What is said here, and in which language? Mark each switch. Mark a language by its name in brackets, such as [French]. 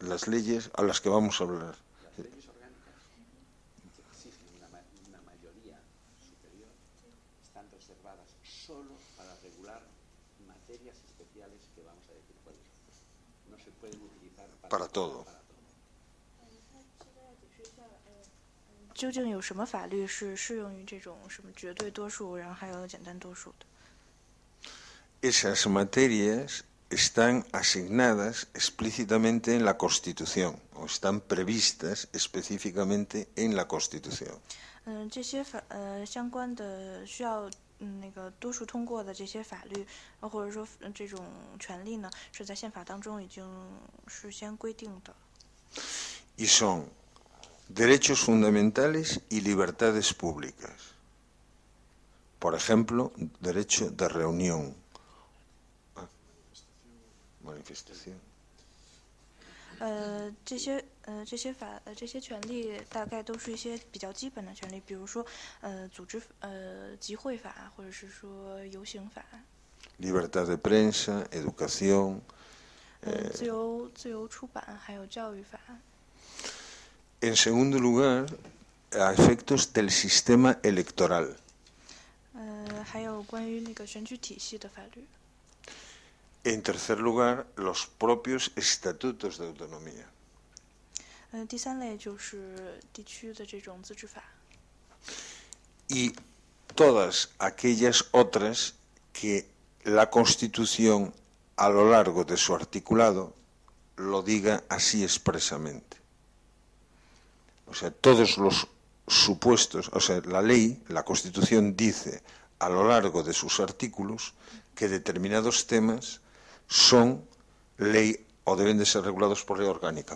[Spanish] Las leyes a las que vamos a hablar. Las leyes orgánicas que exigen una mayoría superior están reservadas solo para regular materias especiales que vamos a decir cuáles son. No se pueden utilizar para todo. Para [Chinese] 究竟有什么法律是适用于这种什么绝对多数，然后还有简单多数的？ [Spanish] Esas materias están asignadas explícitamente en la Constitución o están previstas específicamente en la Constitución. [Chinese] 这些法相关的需要那个多数通过的这些法律，或者说这种权利呢，是在宪法当中已经事先规定的。 [Spanish] Y son derechos fundamentales y libertades públicas. Por ejemplo, derecho de reunión. Manifestación. [Chinese] 这些权利大概都是一些比较基本的权利，比如说组织集会法，或者是说游行法。 [Spanish] Libertad de prensa, educación. [Chinese] 自由出版，还有教育法。 [Spanish] En segundo lugar, a efectos del sistema electoral. [Chinese] 还有关于那个选举体系的法律。 [Spanish] En tercer lugar, los propios estatutos de autonomía. [Chinese] 第三类就是地区的这种自治法。 [Spanish] Y todas aquellas otras que la Constitución a lo largo de su articulado lo diga así expresamente. O sea, todos los supuestos, o sea, la ley, la Constitución dice a lo largo de sus artículos que determinados temas son ley o deben de ser regulados por ley orgánica.